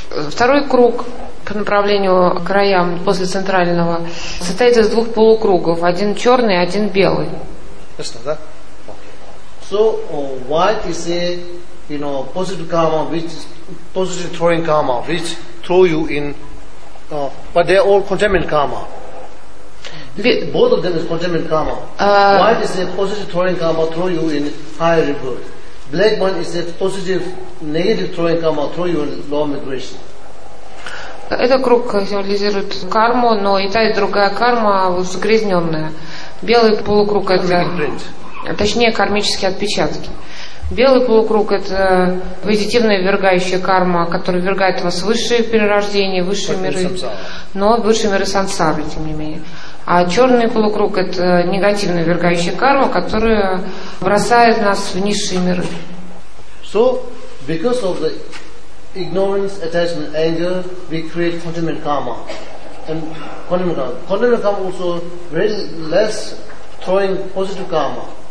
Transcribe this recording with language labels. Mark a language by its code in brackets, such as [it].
[ru] Второй круг по направлению к краям после центрального состоит из двух полукругов: один черный, один белый. [en] Yes, that. Okay. So white is a positive karma, which is positive throwing karma, which throw you in. But they're all contaminated karma. Both of them is contaminated karma. White is a positive throwing karma, throw you in higher rebirth. Black one is a positive negative throwing karma, throw you in low migration. [ru] Этот круг символизирует карму, но и та, и другая карма загрязненная. Белый полукруг это... Точнее, кармические отпечатки. Белый полукруг – это позитивная ввергающая карма, которая ввергает вас в высшие перерождения, высшие миры, но высшие миры сансары, тем не менее. А черный полукруг – это негативная ввергающая карма, которая бросает нас в низшие миры. [en] So, because of the ignorance, attachment, anger, we create contaminated karma. And contaminated karma also very less throwing positive karma.